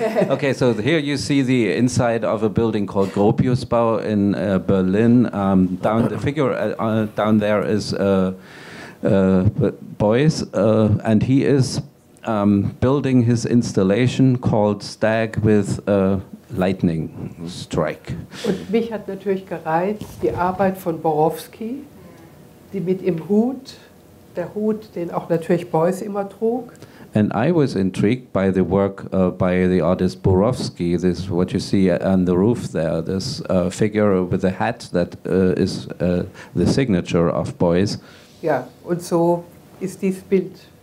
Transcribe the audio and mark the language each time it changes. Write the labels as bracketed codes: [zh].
[en] Okay, so here you see the inside of a building called Gropiusbau in Berlin. Down there is Beuys, and he is building his installation called Stag with a Lightning Strike. [de] Und mich hat natürlich gereizt die Arbeit von Borowski, die mit im Hut, der Hut, den auch natürlich Beuys immer trug. [en] And I was intrigued by the work by the artist Borowski, this what you see on the roof there, this figure with the hat that is the signature of Beuys. [de] Ja, und so ist dieses Bild.